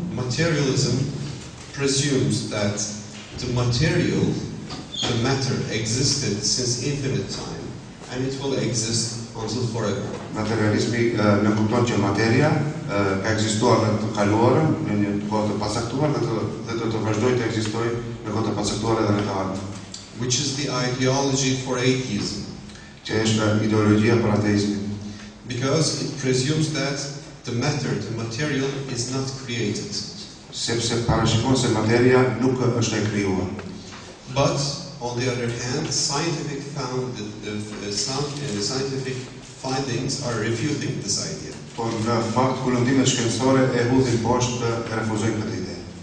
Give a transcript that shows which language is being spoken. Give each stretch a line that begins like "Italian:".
English: Materialism presumes that the material, the matter, existed since infinite time, and it will exist until forever.
Albanian: Materialism në kupton që materia ka ekzistuar në të kaluarën, në një kohë të pasaktuar, dhe të vazhdoj të ekzistoj në kohë të pasaktuar edhe në të ardhme.
English: Which is the ideology for atheism.
Albanian: Që është ideologjia për ateizmin.
English: Because it presumes that the matter, the material, is not created.
Albanian: Sepse parashikon se materia nuk është e krijuar.
English: But on the other hand, scientific findings are refuting this idea.
Albanian: Por në fakt kundërtimet shkencore e hudhin poshtë të refuzojnë këtë ide.